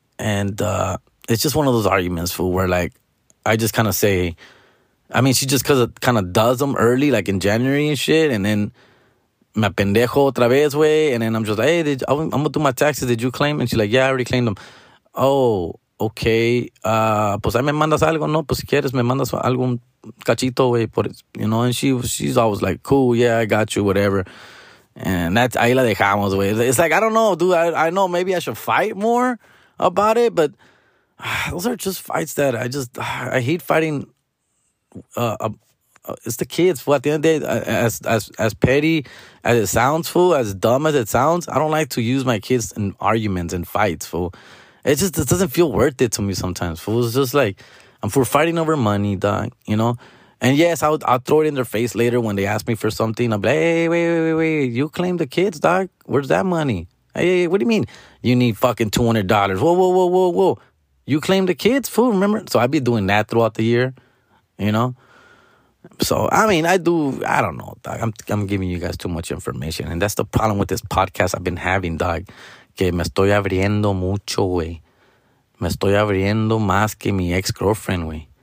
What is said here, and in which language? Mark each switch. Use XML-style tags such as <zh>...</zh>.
<en>And it's just one of those arguments, fool, where, like, I just kind of say, I mean, she just kind of does them early, like in January and shit, and then</en> <es>me pendejo otra vez, güey.</es> <en>And then I'm just like, hey, I'm going to do my taxes. Did you claim? And she's like, yeah, I already claimed them. Oh, okay.</en> <es>Pues ahí me mandas algo, ¿no? Pues si quieres, me mandas algún cachito, güey.</es> <en>You know, and she's always like, cool, yeah, I got you, whatever. And that's,</en> <es>ahí la dejamos, güey.</es> <en>It's like, I don't know, dude. I know maybe I should fight more about it, but those are just fights that I hate fighting. It's the kids. Well, at the end of the day, as petty as it sounds, fool, as dumb as it sounds, I don't like to use my kids in arguments and fights, fool. It just it doesn't feel worth it to me sometimes, fool. It's just like, we're fighting over money, dog, you know? And yes, I'll throw it in their face later when they ask me for something. I'll be like, hey, wait, you claim the kids, dog? Where's that money? Hey, what do you mean? You need fucking $200. Whoa. You claim the kids, fool, remember? So I'd be doing that throughout the year, you know? So, I mean, I don't know, dog. I'm giving you guys too much information. And that's the problem with this podcast I've been having, dog.</en> <es>Que me estoy abriendo mucho, güey. Me estoy abriendo más que mi ex-girlfriend, güey.</es>